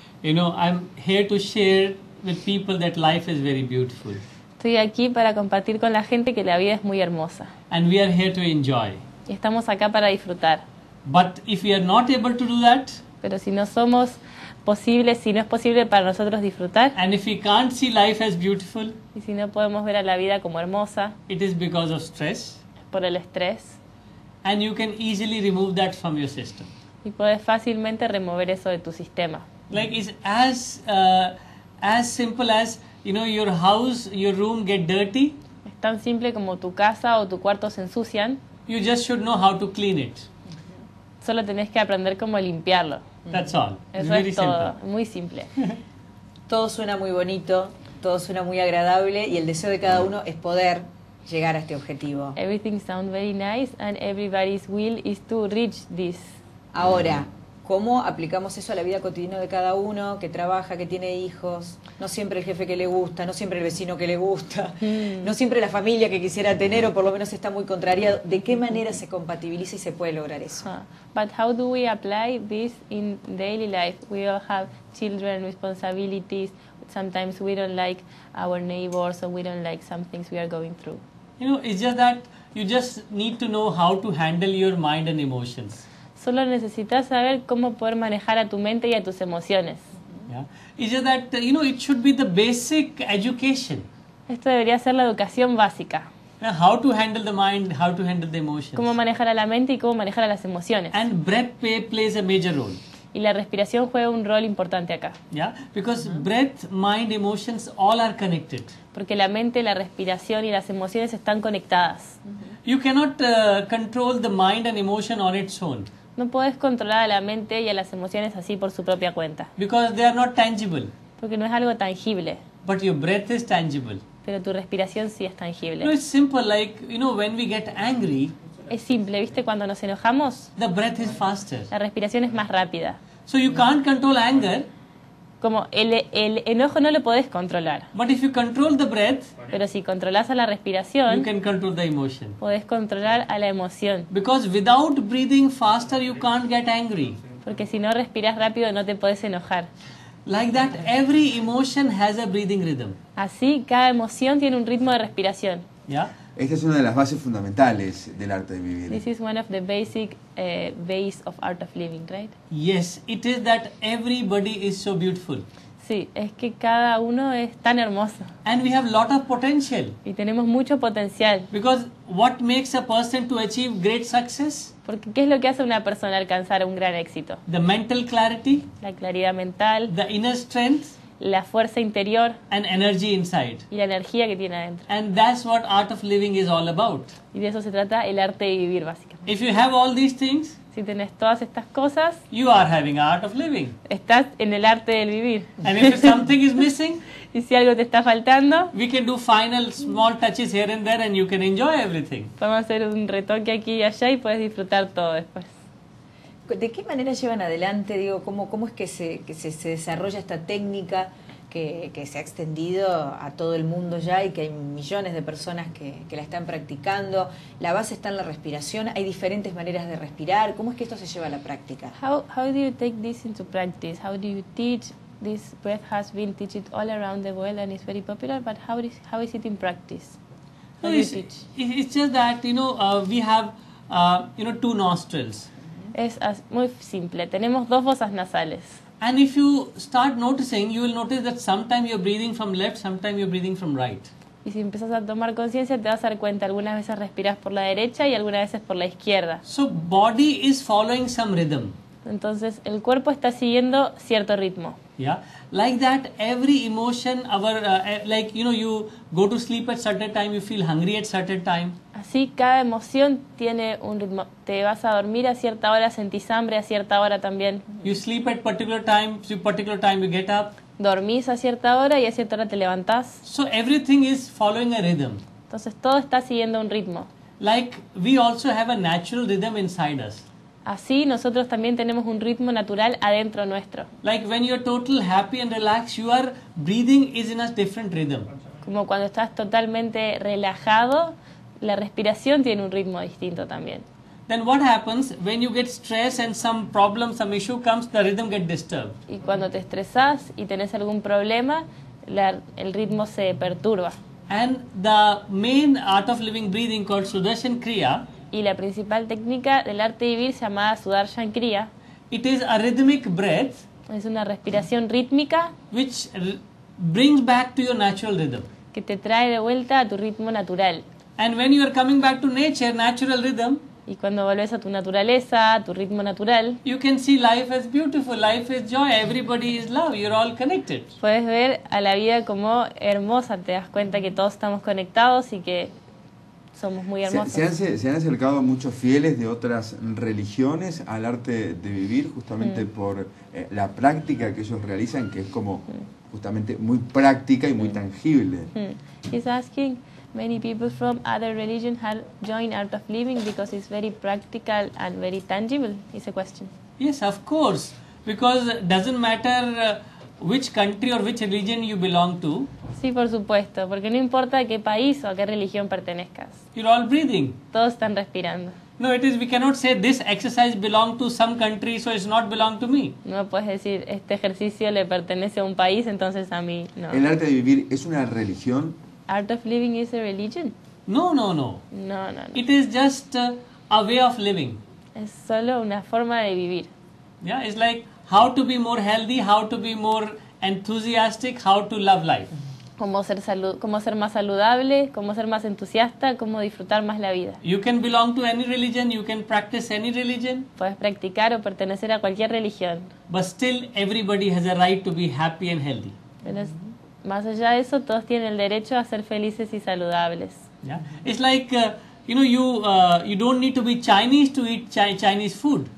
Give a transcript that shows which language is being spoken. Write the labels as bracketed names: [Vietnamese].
[English] You know, I'm here to share with people that life is very beautiful. [Spanish] Estoy aquí para compartir con la gente que la vida es muy hermosa. [English] And we are here to enjoy. [Spanish] Y estamos acá para disfrutar. [English] But if we are not able to do that, [Spanish] pero si no somos posibles, si no es posible para nosotros disfrutar, [English] and if we can't see life as beautiful, [Spanish] y si no podemos ver a la vida como hermosa, [English] it is because of stress. [Spanish] Por el estrés. [English] And you can easily remove that from your system. [Spanish] Y puedes fácilmente remover eso de tu sistema. [English] Like it's as simple as, you know, your house, your room get dirty. [Spanish] Es tan simple como tu casa o tu cuarto se ensucian. [English] You just should know how to clean it. [Spanish] Solo tenés que aprender cómo limpiarlo. [English] That's all. [Spanish] Eso es todo. Muy simple. Todo suena muy bonito, todo suena muy agradable y el deseo de cada uno es poder llegar a este objetivo. [English] Everything sounds very nice and everybody's will is to reach this. [Spanish] Ahora, ¿cómo aplicamos eso a la vida cotidiana de cada uno que trabaja, que tiene hijos? No siempre el jefe que le gusta, no siempre el vecino que le gusta, no siempre la familia que quisiera tener o por lo menos está muy contrariado. ¿De qué manera se compatibiliza y se puede lograr eso? [English] But how do we apply this in daily life? We all have children, responsibilities. Sometimes we don't like our neighbors or we don't like some things we are going through. You know, it's just that you just need to know how to handle your mind and emotions. [Spanish] Solo necesitas saber cómo poder manejar a tu mente y a tus emociones. [English] Yeah. It's just that, you know, it should be the basic education. [Spanish] Esto debería ser la educación básica. [English] Now, how to handle the mind, how to handle the emotions. [Spanish] Cómo manejar a la mente y cómo manejar a las emociones. [English] And breath plays a major role. [Spanish] Y la respiración juega un rol importante acá. [English] Yeah, because breath, mind, emotions all are connected. [Spanish] Porque la mente, la respiración y las emociones están conectadas. [English] You cannot control the mind and emotion on its own. [Spanish] No puedes controlar a la mente y a las emociones así por su propia cuenta. [English] Because they are not tangible. [Spanish] Porque no es algo tangible. [English] But your breath is tangible. [Spanish] Pero tu respiración sí es tangible. [English] No, it's simple, like, you know, when we get angry, [Spanish] es simple, ¿viste? Cuando nos enojamos, [English] the breath is faster. [Spanish] La respiración es más rápida. [English] So you can't control anger. [Spanish] Como el enojo no lo podés controlar. [English] But if you control the breath, [Spanish] pero si controlas a la respiración, [English] you can control the emotion. [Spanish] Podés controlar a la emoción. [English] Because without breathing faster, you can't get angry. [Spanish] Porque si no respiras rápido, no te podés enojar. [English] Like that, every emotion has a breathing rhythm. [Spanish] Así, cada emoción tiene un ritmo de respiración. [English] Yeah? [Spanish] Esta es una de las bases fundamentales del arte de vivir. [English] This is one of the basic base of art of living, right? Yes, it is that everybody is so beautiful. [Spanish] Sí, es que cada uno es tan hermoso. [English] And we have lot of potential. [Spanish] Y tenemos mucho potencial. [English] Because what makes a person to achieve great success? [Spanish] Porque ¿qué es lo que hace una persona alcanzar un gran éxito? [English] The mental clarity. [Spanish] La claridad mental. [English] The inner strength. [Spanish] La fuerza interior [English] and energy inside. [Spanish] Y la energía que tiene adentro. [English] And that's what art of living is all about. [Spanish] Y de eso se trata el arte de vivir, básicamente. [English] If you have all these things, [Spanish] si tenés todas estas cosas, [English] you are having art of living. [Spanish] Estás en el arte del vivir. [English] And if something is missing, [Spanish] y si algo te está faltando, [English] we can do final small touches here and there and you can enjoy everything. [Spanish] Podemos hacer un retoque aquí y allá y puedes disfrutar todo después. ¿De qué manera llevan adelante, digo, cómo es que se desarrolla esta técnica que se ha extendido a todo el mundo ya y que hay millones de personas que la están practicando? La base está en la respiración, hay diferentes maneras de respirar. ¿Cómo es que esto se lleva a la práctica? [English] How do you take this into practice? How do you teach? This breath has been taught all around the world and it's very popular, but how is it in practice? It's just that, you know, we have you know, two nostrils. [Spanish] Es muy simple, tenemos dos fosas nasales. [English] And if you start noticing, you will notice that sometimes you're breathing from left, sometimes you're breathing from right. [Spanish] Y si empiezas a tomar conciencia, te vas a dar cuenta, algunas veces respiras por la derecha y algunas veces por la izquierda. [English] So body is following some rhythm. [Spanish] Entonces, el cuerpo está siguiendo cierto ritmo. [English] Yeah. Like that, every emotion, like, you know, you go to sleep at certain time, you feel hungry at certain time. [Spanish] Así, cada emoción tiene un ritmo. Te vas a dormir a cierta hora, sentís hambre a cierta hora también. [English] You sleep at particular time you get up. [Spanish] Dormís a cierta hora y a cierta hora te levantás. [English] So everything is following a rhythm. [Spanish] Entonces, todo está siguiendo un ritmo. [English] Like, we also have a natural rhythm inside us. [Spanish] Así, nosotros también tenemos un ritmo natural adentro nuestro. [English] Like when you're totally happy and relaxed, your breathing is in a different rhythm. [Spanish] Como cuando estás totalmente relajado, la respiración tiene un ritmo distinto también. [English] then what happens when you get stressed and some problem, some issue comes, the rhythm get disturbed. [Spanish] Y cuando te estresas y tenés algún problema, el ritmo se perturba. [English] And the main art of living breathing called Sudarshan Kriya. [Spanish] Y la principal técnica del arte de vivir llamada Sudarshan Kriya. [English] It is a rhythmic breath. [Spanish] Es una respiración rítmica. [English] Which brings back to your natural rhythm. [Spanish] Que te trae de vuelta a tu ritmo natural. [English] And when you are coming back to nature, natural rhythm. [Spanish] Y cuando vuelves a tu naturaleza, a tu ritmo natural. [English] You can see life as beautiful, life is joy, everybody is love, you're all connected. [Spanish] Puedes ver a la vida como hermosa, te das cuenta que todos estamos conectados y que somos muy hermosos. Se han acercado muchos fieles de otras religiones al arte de vivir justamente por la práctica que ellos realizan, que es como justamente muy práctica y muy tangible. [English] He's asking, many people from other religion have joined Art of Living because it's very practical and very tangible. Is a question. Yes, of course. Because it doesn't matter which country or which religion you belong to. [Spanish] Sí, por supuesto. Porque no importa a qué país o a qué religión pertenezcas. [English] You're all breathing. [Spanish] Todos están respirando. [English] No, it is. We cannot say this exercise belongs to some country, so it's not belong to me. [Spanish] No puedes decir este ejercicio le pertenece a un país, entonces a mí no. El arte de vivir es una religión. [English] Art of living is a religion. No. It is just a way of living. [Spanish] Es solo una forma de vivir. [English] Yeah, it's like how to be more healthy, how to be more enthusiastic, how to love life. [Spanish] Cómo ser más saludable, cómo ser más entusiasta, cómo disfrutar más la vida. [English] You can belong to any religion, you can practice any religion. [Spanish] Puedes practicar o pertenecer a cualquier religión. [English] But still, everybody has a right to be happy and healthy. [Spanish] Más allá de eso, todos tienen el derecho a ser felices y saludables. [English] Yeah. It's like, you know, you don't need to be Chinese to eat Chinese food.